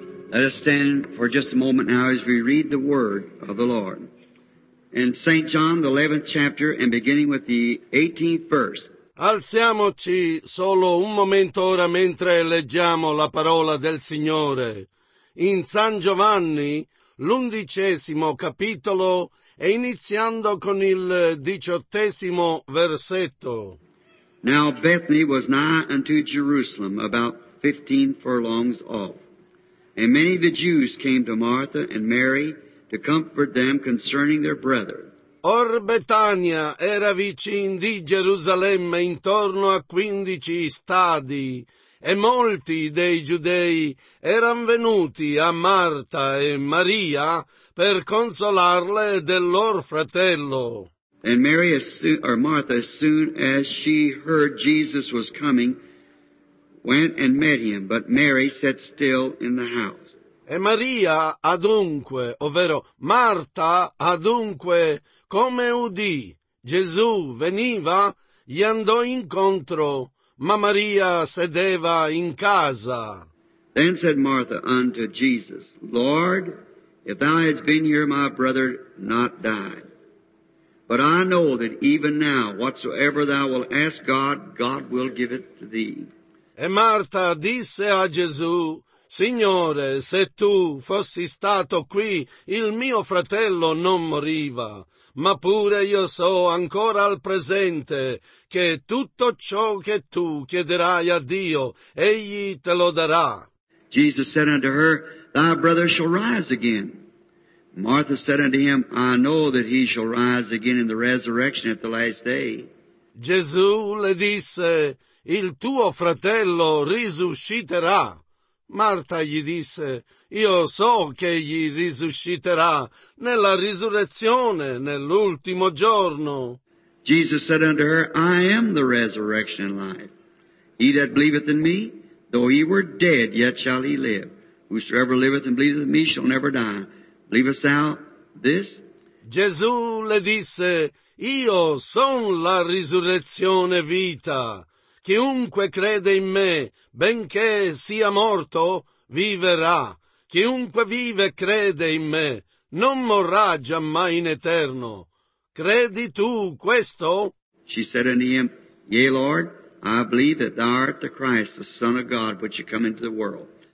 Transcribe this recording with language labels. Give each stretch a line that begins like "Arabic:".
English: Let us stand for just a moment now as we read the word of the Lord. In St. John, the 11th chapter, and beginning with the 18th verse.
Italian: Alziamoci solo un momento ora mentre leggiamo la parola del Signore. In San Giovanni, l'undicesimo capitolo, e iniziando con il 18° versetto.
English: Now Bethany was nigh unto Jerusalem, about 15 furlongs off. And many of the Jews came to Martha and Mary to comfort them concerning their brother.
Italian: Or Betania era vicin di Gerusalemme intorno a 15 stadi, e molti dei Giudei eran venuti a Marta e Maria per consolarle del loro fratello.
English: And Mary, as soon as she heard Jesus was coming, went and met him, but Mary sat still in the house.
Italian: E Maria adunque, ovvero Marta adunque, come udì Gesù veniva, gli andò incontro, ma Maria sedeva in casa.
English: Then said Martha unto Jesus, Lord, if thou hadst been here, my brother not died. But I know that even now, whatsoever thou wilt ask God, God will give it to thee.
Italian: E Marta disse a Gesù, Signore, se tu fossi stato qui, il mio fratello non moriva. Ma pure io so ancora al presente che tutto ciò che tu chiederai a Dio, egli te lo darà.
English: Jesus said unto her, Thy brother shall rise again. Martha said unto him, I know that he shall rise again in the resurrection at the last day.
Italian: Gesù le disse, Il tuo fratello risusciterà. Marta gli disse, Io so che egli risusciterà nella risurrezione, nell'ultimo giorno.
English: Jesus said unto her, I am the resurrection and life. He that believeth in me, though he were dead, yet shall he live. Whosoever liveth and believeth in me shall never die. Believest thou this?
Italian: Gesù le disse, Io son la risurrezione vita. Chiunque crede in me, benché sia morto, viverà. Chiunque vive e crede in me, non morrà giammai in eterno. Credi tu questo?
English: She said unto him, Yea, Lord, I believe that thou art the Christ, the Son of God, which is come into the world.